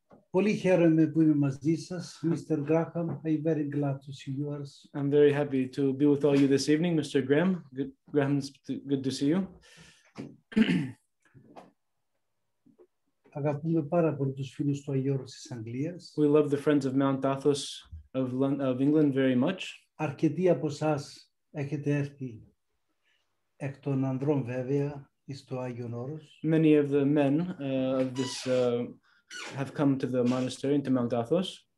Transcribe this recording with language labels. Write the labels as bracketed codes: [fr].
[el] Πολύ χαίρομαι που είμαι μαζί σας, Mr. [en] Graham. I'm very glad to see you. I'm very happy to be with all you this evening, Mr. Graham. Graham, it's good to see you. [el] Αγαπούμε πάρα πολύ τους φίλους του Αγίου Όρους της Αγγλίας. [en] We love the friends of Mount Athos of England very much. [el] Αρκετοί από σας έχετε έρθει εκ των ανδρών, βέβαια. [en] Many of the men of this have come to the monastery, into Mount Athos.